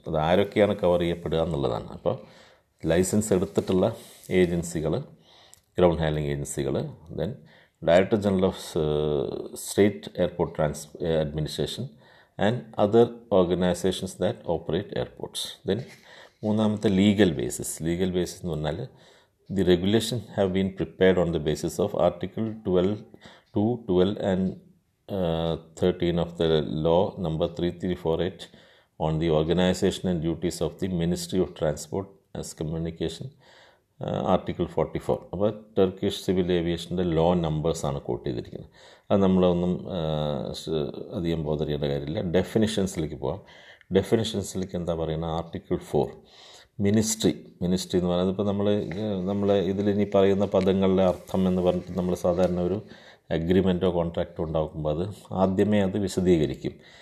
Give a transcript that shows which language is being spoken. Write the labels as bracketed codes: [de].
[ml] അത് ആരൊക്കെയാണ് കവർ ചെയ്യപ്പെടുക എന്നുള്ളതാണ്. അപ്പോൾ ലൈസൻസ് എടുത്തിട്ടുള്ള ഏജൻസികൾ, ഗ്രൗണ്ട് ഹാൻഡ്ലിംഗ് ഏജൻസികൾ, then director general of state airport administration [en] and other organizations that operate airports. Then [ml] moonamatha [en] legal basis [ml] nu nal [en] the regulation have been prepared on the basis of article 12 and 13 of the law number 3348 on the organization and duties of the ministry of transport as communication article 44. [ml] അപ്പോൾ Turkish civil ഏവിയേഷൻ്റെ law നമ്പേഴ്സാണ് coat ചെയ്തിരിക്കുന്നത്. അത് നമ്മളൊന്നും അധികം ബോധറിയേണ്ട കാര്യമില്ല. ഡെഫിനിഷൻസിലേക്ക് പോകാം. ഡെഫിനിഷൻസിലേക്ക് എന്താ പറയുന്നത്? Article 4, ministry എന്ന് പറയുന്നത്, ഇപ്പോൾ നമ്മൾ ഇതിലിനി പറയുന്ന പദങ്ങളുടെ അർത്ഥം എന്ന് പറഞ്ഞിട്ട് നമ്മൾ സാധാരണ ഒരു അഗ്രിമെൻറ്റോ കോൺട്രാക്റ്റോ ഉണ്ടാക്കുമ്പോൾ അത് ആദ്യമേ അത് വിശദീകരിക്കും.